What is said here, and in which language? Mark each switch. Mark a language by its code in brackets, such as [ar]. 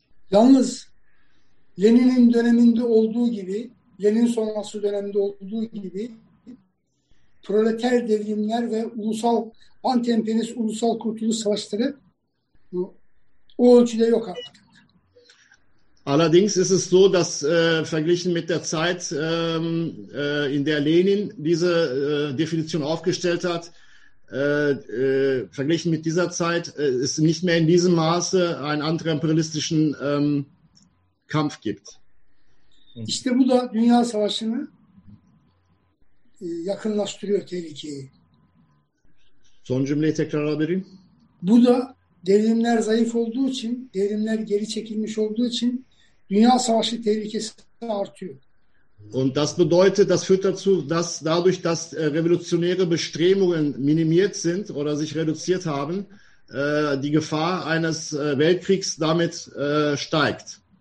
[tr] Yalnız Lenin'in döneminde olduğu gibi, Lenin sonrası dönemde olduğu gibi proleter devrimler ve ulusal anti-emperyalist ulusal kurtuluş savaşları o ölçüde yok artık. [de] Allerdings ist es so, dass verglichen mit der Zeit, in der Lenin diese Definition aufgestellt hat, verglichen mit dieser Zeit ist nicht mehr in diesem Maße ein anti-imperialistischen Kampf gibt. [tr] İşte bu da Dünya Savaşı'nı yakınlaştırıyor tehlikeyi. Son cümleyi tekrar alabilirim. Bu da devrimler zayıf olduğu için, devrimler geri çekilmiş olduğu için Dünya Savaşı tehlikesi artıyor. [de] Und das bedeutet, das führt dazu, dass dadurch, dass revolutionäre Bestrebungen minimiert sind oder sich reduziert haben, die Gefahr eines Weltkriegs damit steigt.